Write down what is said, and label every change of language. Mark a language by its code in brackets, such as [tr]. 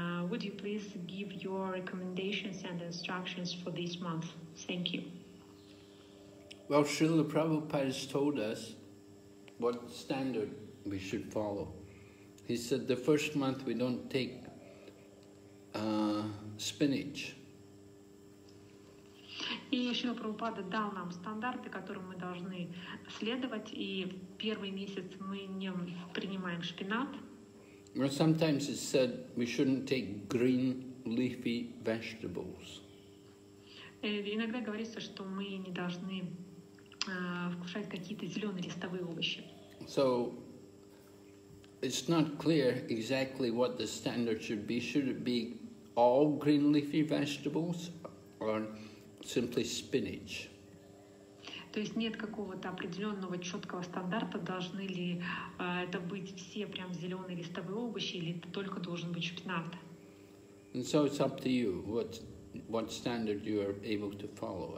[en] Would you please give your recommendations and instructions for this month? Thank you. Well, Srila Prabhupada has told us what standard we should follow. He said the first month we don't take spinach. [ru] И Шрила Прабхупада дал нам стандарты, которым мы должны следовать, и первый месяц мы не принимаем шпинат. [en] Or sometimes it's said we shouldn't take green leafy vegetables. [ru] Иногда говорится, что мы не должны вкушать какие-то зеленые листовые овощи. [en] So It's not clear exactly what the standard should be. Should it be all green leafy vegetables or simply spinach? [ru] То есть нет какого-то определенного четкого стандарта, должны ли это быть все прям зеленые листовые овощи или это только должен быть шпинат. [en] And so it's up to you what standard you are able to follow.